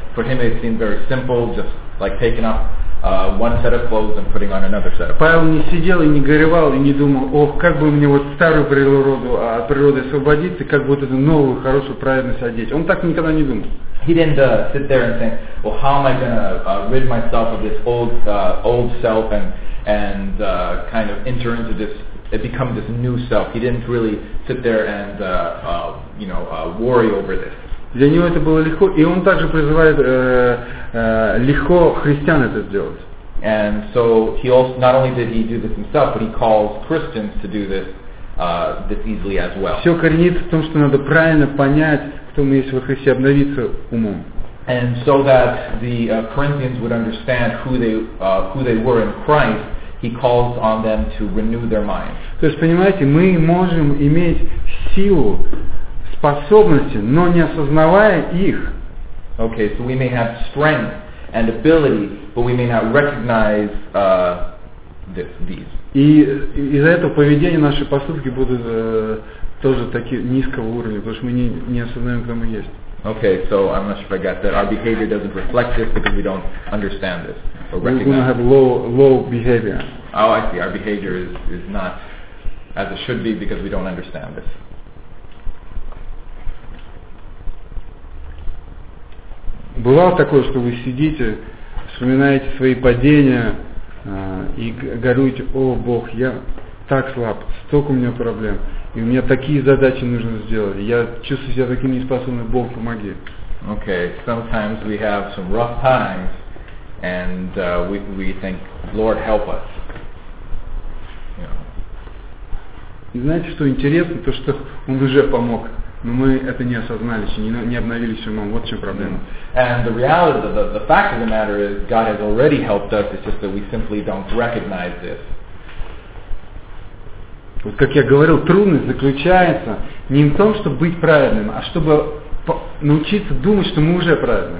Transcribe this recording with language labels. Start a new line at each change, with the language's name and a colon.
English: For him it seemed very simple, just like taking off one set of clothes and putting on another set of clothes.
Russian: Павел не сидел и не горевал и не думал, ох, как бы мне вот старую природу от природы освободиться, как бы вот эту новую хорошую праведность одеть. Он так никогда не думал.
English: He didn't sit there and think, well, how am I going to rid myself of this old self and kind of enter into this, become this new self. He didn't really sit there and worry over this.
Russian: Для него это было легко, и он также призывает легко христиан это сделать.
English: And so he also not only did he do this himself, but he calls Christians to do this this easily as well.
Russian: Все коренится в том, что надо правильно понять, кто мы есть во Христе, обновиться умом.
English: And so that the Corinthians would understand who they were in Christ, he calls on them to renew their minds.
Russian: То есть понимаете, мы можем иметь силу, способности, но не осознавая их.
English: Okay, so we may have strength and ability, but we may not recognize these.
Russian: И из-за этого поведения наши поступки будут тоже такие низкого уровня, потому что мы не осознаем, кто мы есть.
English: Okay, so I'm not sure if I got that. Our behavior doesn't reflect this because we don't understand this or recognize. We're gonna have low behavior. Oh, I see. Our behavior is not as it should be because we don't understand this.
Russian: Бывало такое, что вы сидите, вспоминаете свои падения и горюете, о Бог, я так слаб, столько у меня проблем, и у меня такие задачи нужно сделать, я чувствую себя таким неспособным, Бог, помоги.
English: Okay, sometimes we have some rough times, and we think, Lord, help us.
Russian: И знаете, что интересно, то, что Он уже помог. Но мы это не осознали, не обновили все умом. Вот в чем проблема.
English: And the reality, the fact of the matter is, God has already helped us, it's just that we simply don't recognize this.
Russian: Вот как я говорил, трудность заключается не в том, чтобы быть праведным, а чтобы научиться думать, что мы уже праведны.